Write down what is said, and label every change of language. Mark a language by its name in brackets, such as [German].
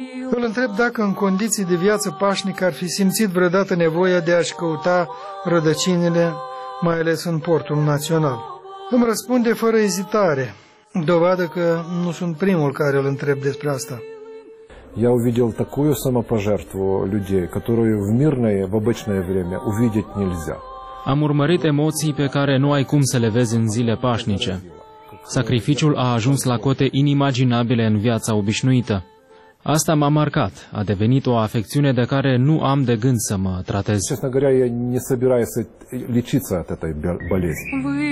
[Romanian] Îl întreb dacă în condiții de viață pașnică ar fi simțit vreodată nevoia de a-și căuta rădăcinile, mai ales în portul național. Îmi răspunde fără ezitare, dovadă că nu sunt primul care îl întreb despre asta. [Russian] Я увидел такую самопожертву людей, которую в мирное, в обычное время увидеть нельзя. [Romanian] Am urmărit emoții pe care nu ai cum să le vezi în zile pașnice. Sacrificiul a ajuns la cote inimaginabile în viața obișnuită. Asta m-a marcat, a devenit o afecțiune de care nu am de gând să mă tratez. [Russian] Честно говоря, я не собираюсь лечиться от этой болезни.